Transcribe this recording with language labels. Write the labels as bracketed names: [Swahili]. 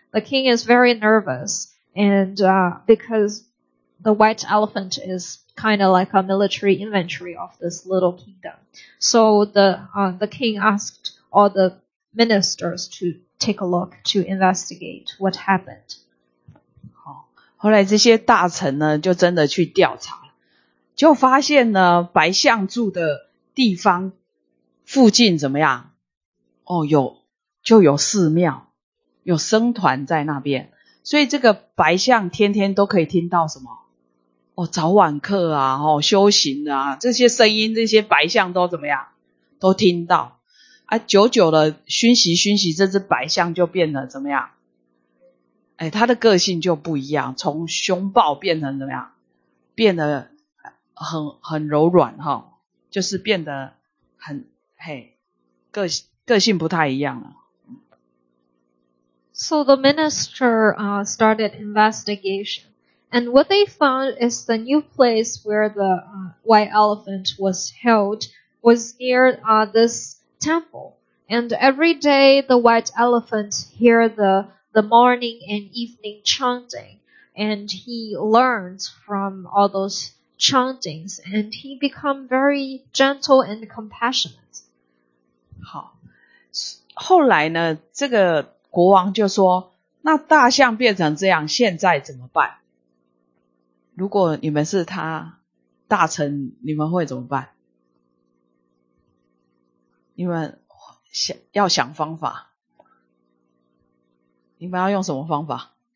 [English] The king is very nervous, and because the white elephant is kind of like a military inventory of this little kingdom. So the king asked all the ministers to take a look to investigate what happened. [Chinese] 后来这些大臣呢就真的去调查，就发现呢白象住的地方附近怎么样，哦，有寺庙，有僧团在那边，所以这个白象天天都可以听到什么，哦，早晚课啊，哦，修行啊，这些声音这些白象都怎么样都听到啊，久久的熏习这只白象就变得怎么样，哎，他的个性就不一样，从凶暴变成怎么样变得很柔软哈、哦，就是变得很嘿，个性不太一样了。 [English] So the minister started investigation, and what they found is the new place where the white elephant was held was near this temple. And every day, the white elephant hear the morning and evening chanting, and he learns from all those chantings, and he become very gentle and compassionate. [Chinese] 好，后来呢，这个国王就说，那大象变成这样，现在怎么办？如果你们是他大臣，你们会怎么办？你们想要想方法，你们要用什么方法？